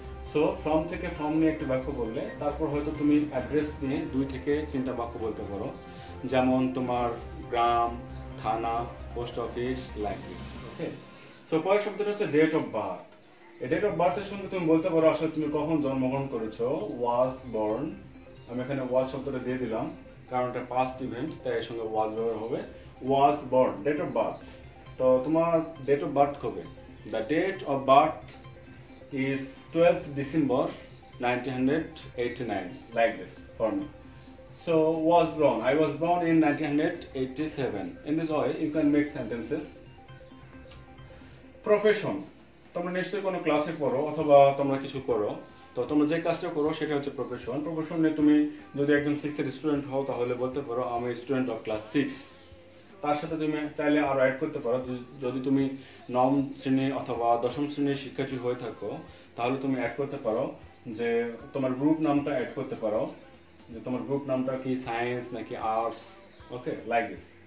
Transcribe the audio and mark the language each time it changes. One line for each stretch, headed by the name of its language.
Bangla: So from থেকে from নিয়ে একটা বাক্য বললে তারপর হয়তো তুমি অ্যাড্রেস নিয়ে দুই থেকে তিনটা বাক্য বলতে পারো, যেমন তোমার গ্রাম, থানা, পোস্ট অফিস, লাইব্রেরি। ওকে, সো পরের শব্দটা হচ্ছে ডেট অফ বার্থ। এই ডেট অফ বার্থের সঙ্গে তুমি বলতে পারো আসলে তুমি কখন জন্মগ্রহণ করেছো,
English: Was born.
Bangla: আমি এখানে ওয়াজ শব্দটা দিয়ে দিলাম কারণ এটা পাস্ট ইভেন্ট, তাই এর সঙ্গে ওয়াজ ব্যবহার হবে।
English: was born,
Bangla: date of birth. তো তোমার ডেট অফ বার্থ কবে?
English: The date of birth is 12th December 1989, like this for me. So was born, I was born in 1987. In this way you can make sentences.
Bangla: Profession, তোমরা নিশ্চয়ই কোনো ক্লাসে পড়ো অথবা তোমরা কিছু করো, তো তোমরা যে কাজটা করো সেটা হচ্ছে প্রফেশন। প্রফেশন নিয়ে তুমি যদি একদম সিক্সের স্টুডেন্ট হও তাহলে বলতে পারো
English: আমি student of class six.
Bangla: তার সাথে তুমি চাইলে আরো অ্যাড করতে পারো। যদি তুমি নবম শ্রেণী অথবা দশম শ্রেণীর শিক্ষার্থী হয়ে থাকো তাহলে তুমি অ্যাড করতে পারো যে তোমার গ্রুপ নামটা অ্যাড করতে পারো, যে তোমার গ্রুপ নামটা কি সায়েন্স নাকি আর্টস,
English: Okay like this.